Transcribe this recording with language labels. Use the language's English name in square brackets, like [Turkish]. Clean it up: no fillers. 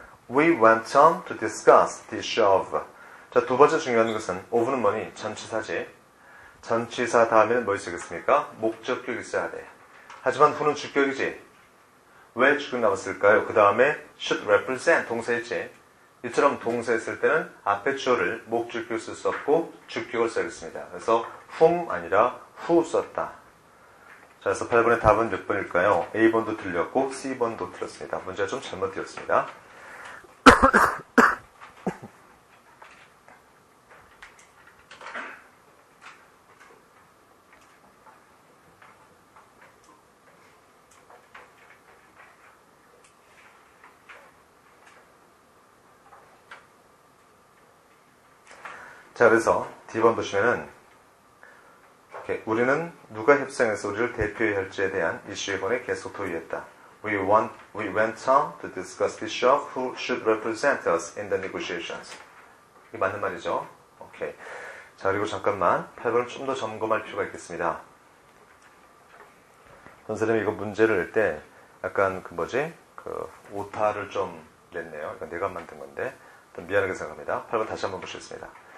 [English] We went on to discuss the issue of. [Korean] 자, 두 번째 중요한 것은 of는 뭐니? 전치사지. 전치사 다음에는 뭐 있겠습니까? 목적격이 있어야 돼. 하지만 who는 주격이지. 왜 주격 남았을까요? 그 다음에 should represent 동사였지. 이처럼 동사에 쓸 때는 앞에 주어를 목적격 쓸 수 없고 주격을 써야겠습니다. 그래서 whom 아니라 who 썼다. 자, 그래서 8번의 답은 몇 번일까요? A번도 틀렸고 C번도 틀렸습니다. 문제가 좀 잘못되었습니다. 자, 그래서 D번 보시면은 이렇게 우리는 누가 협상해서 우리를 대표해야 할지에 대한 이슈에 관해 계속 토의했다. [English] We went on to discuss the issue of who should represent us in the negotiations. [Korean] 이게 맞는 말이죠? 오케이. 자, 그리고 잠깐만 8번을 좀 더 점검할 필요가 있겠습니다. 선생님이 이거 문제를 낼 때 약간 그 뭐지? 그 오타를 좀 냈네요. 이건 내가 만든 건데 미안하게 생각합니다. 8번 다시 한번 보시겠습니다.